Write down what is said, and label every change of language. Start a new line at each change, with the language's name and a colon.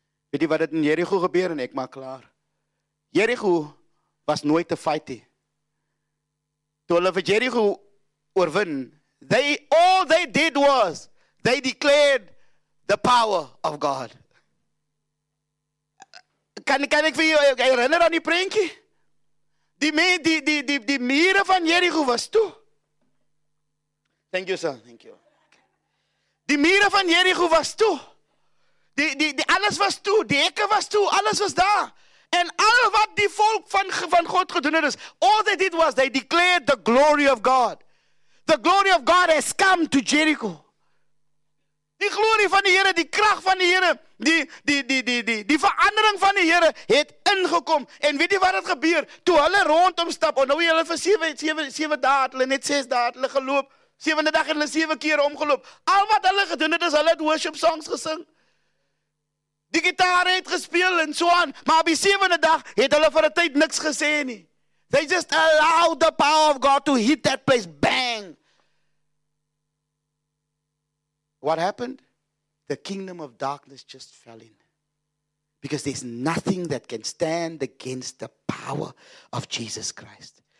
Afrikaans: Weet jy wat het in Jericho gebeur en ek maak klaar? Jericho was nooit te fight nie. Toe hulle vir Jericho oorwin,
English: all they did was, they declared the power of God.
Afrikaans: Kan ek vir jou herinner aan die prentjie? Die mure van Jericho was toe.
English: Thank you, sir. Thank you.
Afrikaans: Die mure van Jericho was toe. Die alles was toe. Die hekke was toe. Alles was daar. En al wat die volk van God gedoen het is,
English: all they did was they declared the glory of God. The glory of God has come to Jericho.
Afrikaans: Die glorie van die Here, die krag van die Here, die verandering van die Here het ingekom. En weet jy wat het gebeur? Toe hulle rondom stap, en nou hulle vir 7 dae, hulle net 6 dae hulle geloop. 7de dag het hulle 7 keer omgeloop. Al wat hulle gedoen het is hulle het worship songs gesing. Die gitaar het gespeel en so aan, maar op die 7de dag het hulle vir 'n tyd niks gesê nie.
English: They just allowed the power of God to hit that place, bang. What happened? The kingdom of darkness just fell in. Because there's nothing that can stand against the power of Jesus Christ.